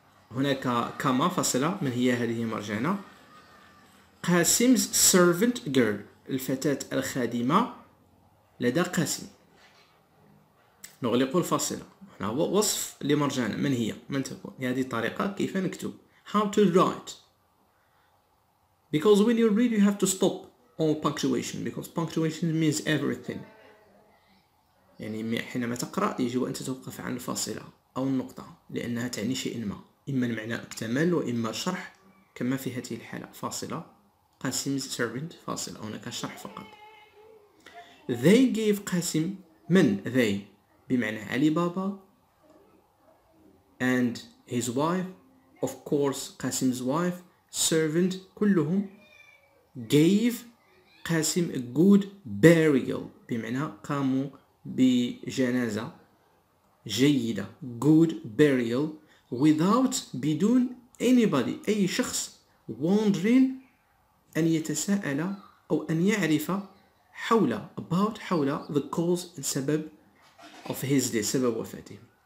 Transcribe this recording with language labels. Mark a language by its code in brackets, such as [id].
[ar] هناك كما فصلة من هي هذه Marjana. [en] Qasim's servant girl, [ar] الفتاة الخادمة لدى قاسم. نغلق الفاصلة. هنا وصف لمرجانة. من هي؟ من تكون؟ هذه الطريقة كيف نكتب. [en] How to write. Because when you read you have to stop on punctuation. Because punctuation means everything. [ar] يعني حينما تقرأ يجب أن تتوقف عن الفاصلة أو النقطة. لأنها تعني شيء ما. إما المعنى اكتمل وإما شرح. كما في هذه الحالة فاصلة. [en] Qasim's servant [ar] فاصل هناك شرح فقط. [en] They gave Qasim, من they [ar] بمعنى علي بابا [en] and his wife, of course Qasim's wife, servant, كلهم gave Qasim a good burial [ar] بمعنى قاموا بجنازة جيدة, [en] good burial, without, بدون anybody, أي شخص wondering, [ar] أن يتساءل أو أن يعرف حول [en] about حول the cause and سبب of his death, [ar] سبب وفاته.